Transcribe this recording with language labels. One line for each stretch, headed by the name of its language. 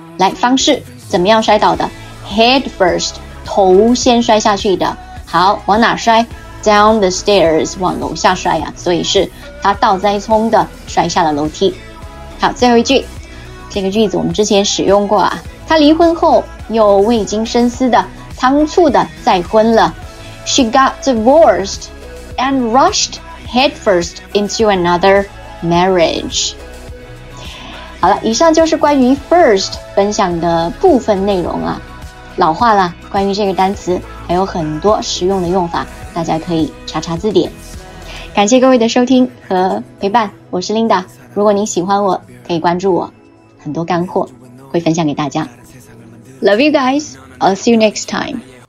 Chinese: 来，方式怎么样摔倒的？ Head first, 头先摔下去的。好，往哪摔？
English: down the stairs
Chinese: 往楼下摔啊，所以是他倒栽葱的摔下了楼梯。好，最后一句，这个句子我们之前使用过啊，他离婚后又未经深思的仓促的再婚了。
English: She got divorced and rushed headfirst into another marriage。
Chinese: 好了，以上就是关于 first 分享的部分内容啊。老话啦，关于这个单词还有很多实用的用法，大家可以查查字典。感谢各位的收听和陪伴，我是 Linda， 如果您喜欢我可以关注我，很多干货会分享给大家。
English: Love you guys, I'll see you next time。